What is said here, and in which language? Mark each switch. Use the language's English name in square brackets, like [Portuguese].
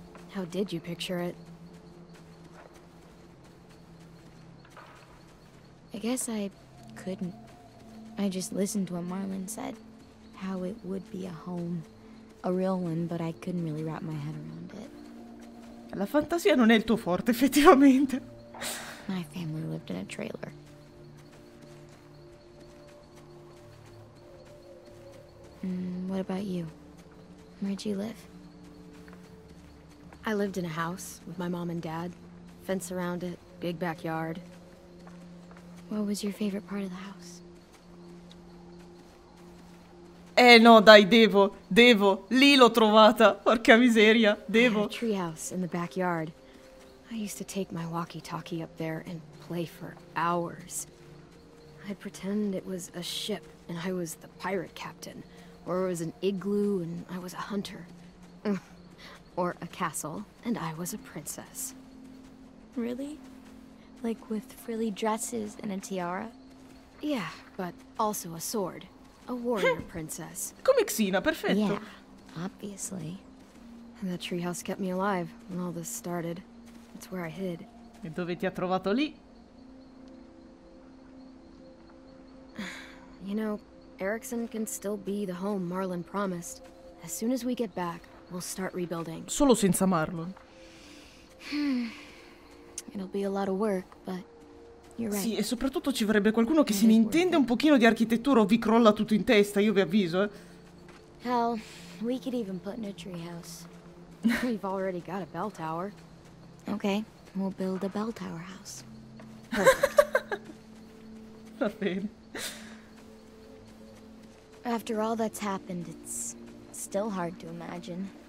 [English] How did you picture it? I guess I couldn't. I just listened to what Marlon said. How it would be a home. A real one, but I couldn't really wrap my head around it. [Italian] La fantasia non è il tuo forte, effettivamente. [English] My family lived in a trailer. What about you? Where'd you live? I lived in a house with my mom and dad. Fence around it, big backyard. What was your favorite part of the house? [Italian] No, dai, devo, lì l'ho trovata, porca miseria, devo. [English] I had a treehouse in the backyard. I used to take my walkie-talkie up there and play for hours. I'd pretend it was a ship and I was the pirate captain, or it was an igloo and I was a hunter, or a castle and I was a princess. Really? Like with frilly dresses and a tiara? Yeah, but also a sword. A warrior princess. [Italian] Come Xena, perfetto. [English] Yeah, obviously. And that treehouse kept me alive when all this started. It's where I hid. [Italian] E dove ti ha trovato lì? [English] You know, Erickson can still be the home Marlon promised. As soon as we get back, we'll start rebuilding. [Italian] Solo senza Marlon. [English] It'll be a lot of work, but you're right. [Italian] Sì, e soprattutto ci vorrebbe qualcuno che se ne intende un pochino di architettura o vi crolla tutto in testa, io vi avviso, eh. [English] Hell, we could even put in a treehouse. We've already got a bell tower. Okay, we'll build a bell tower house. [Italian] Va bene. [English] After all that's happened, it's still hard to imagine.